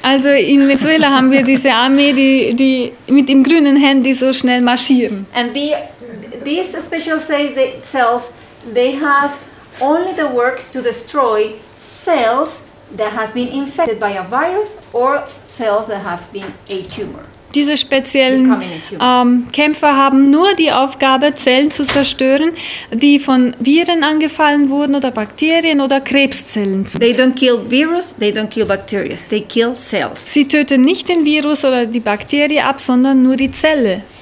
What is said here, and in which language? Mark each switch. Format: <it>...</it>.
<de>Also in Venezuela haben wir diese Armee, die mit dem grünen Helm, die so schnell marschieren.</de> <en>And these special cells, they have only the work to destroy cells that has been infected by a virus or cells that have been a tumor.</en> <de>Diese speziellen Kämpfer haben nur die Aufgabe, Zellen zu zerstören, die von Viren angefallen wurden oder Bakterien oder Krebszellen.</de> <en>They don't kill virus, they don't kill bacteria, they kill cells.</en> <de>Sie töten nicht den Virus oder die Bakterie ab, sondern nur die Zelle.</de>